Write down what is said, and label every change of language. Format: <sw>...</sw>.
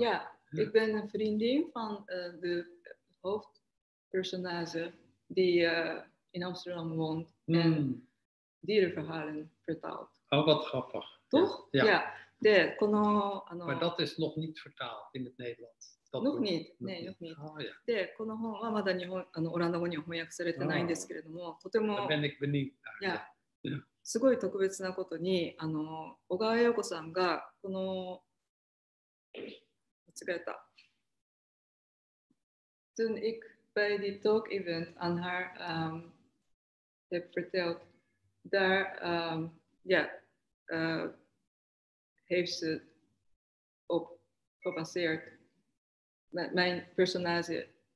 <nl>Ja, ja, ik ben een vriendin van de hoofdpersonage die in Amsterdam woont en dierenverhalen vertaalt. Oh, wat grappig. Toch? Ja. Ja. De, この, maar dat is nog niet vertaald in het Nederlands. Nog niet, nee, nog niet. Oh, ja.</nl> <ja>De, この本はまだ日本、あの、オランダ語には翻訳されてないんですけれども、とても、</ja> <nl>だ ben ik benieuwd naar.</nl> <ja>Ja, すごい特別なことに、あの、小川陽子さんが、この、間違えた。</ja> <nl>Toen ik bij die talk event aan haar heb verteld, daar, heeft ze op gebaseerd met mijn personage.</nl>